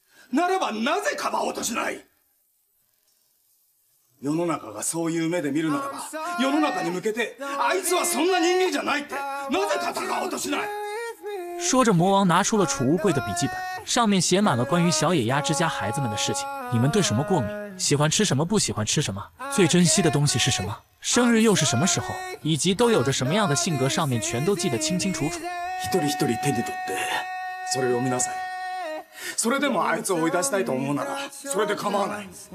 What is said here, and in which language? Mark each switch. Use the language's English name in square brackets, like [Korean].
[Japanese] ならばなぜかばおうとしない？世の中がそういう目で見るならば、世の中に向けてあいつはそんな人間じゃないってなぜ戦おうとしない？ [Chinese] 说着，魔王拿出了储物柜的笔记本，上面写满了关于小野鸭之家孩子们的事情。你们对什么过敏？喜欢吃什么？不喜欢吃什么？最珍惜的东西是什么？生日又是什么时候？以及都有着什么样的性格？上面全都记得清清楚楚。 [Japanese] 一人一人手に取ってそれを見なさい。それでもあいつを追い出したいと思うならそれで構わない。